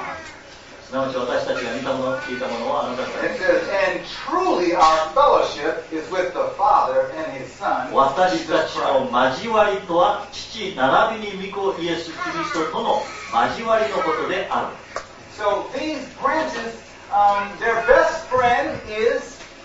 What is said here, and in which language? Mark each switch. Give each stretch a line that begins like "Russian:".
English: That's correct.
Japanese: すなわち私たちが見たもの聞いたものはあなた方。
English: It says, and truly our fellowship is with the Father and His Son.
Japanese: 私たちの交わりとは父並びに御子イエスキリストとの交わりのことである。
English: So these branches, their best friend is